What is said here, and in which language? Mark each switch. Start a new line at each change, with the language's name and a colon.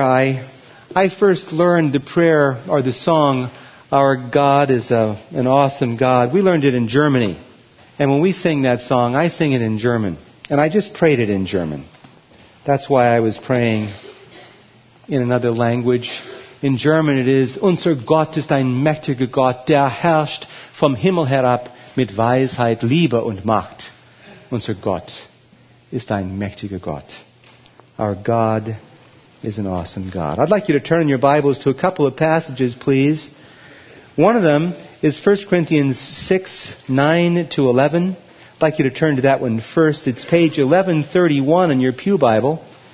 English: I first learned the prayer or the song, "Our God is an awesome God." We learned it in Germany. And when we sing that song, I sing it in German. And I just prayed it in German. That's why I was praying in another language. In German it is,
German: "Unser Gott ist ein mächtiger Gott, der herrscht vom Himmel herab mit Weisheit, Liebe und Macht." Unser Gott ist ein mächtiger Gott.
English: Our God is an awesome God. I'd like you to turn in your Bibles to a couple of passages, please. One of them is 1 Corinthians 6, 9 to 11. I'd like you to turn to that one first. It's page 1131 in your pew Bible.